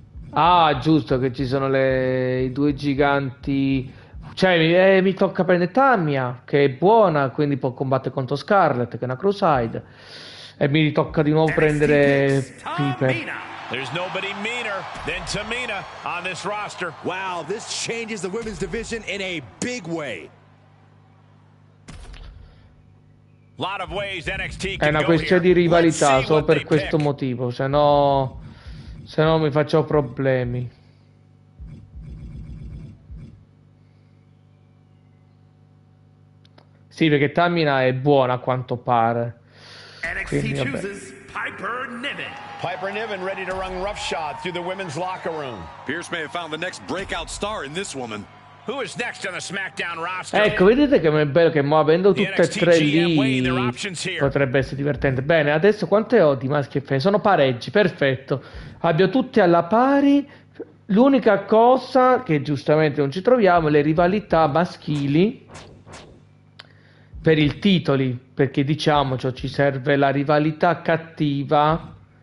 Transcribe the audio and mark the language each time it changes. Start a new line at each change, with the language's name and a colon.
Italian: Ah, giusto che ci sono i due giganti. Cioè, mi tocca prendere Tamia, che è buona, quindi può combattere contro Scarlett, che è una Crusade. E mi tocca di nuovo prendere Piper.
English: There's nobody meaner than Tamina on this roster. Wow, this changes the women's division in a big way. Lot of ways NXT can go.
Italian: È una questione di rivalità, solo per questo motivo, se no mi faccio problemi. Sì, perché Tamina è buona a quanto pare. Quindi, NXT vabbè.
English: Chooses Piper Niven. Piper Niven ready to run roughshod through the women's locker room. Pierce may have found the next breakout star in this woman. Who is next on the SmackDown roster?
Italian: Ecco, vedete che è bello che mo avendo tutte e tre lì potrebbe essere divertente. Bene, adesso quante ho di maschi e femmine? Sono pareggi, perfetto. Abbiamo tutte alla pari. L'unica cosa che giustamente non ci troviamo è le rivalità maschili per i titoli, perché diciamoci, ci serve la rivalità cattiva.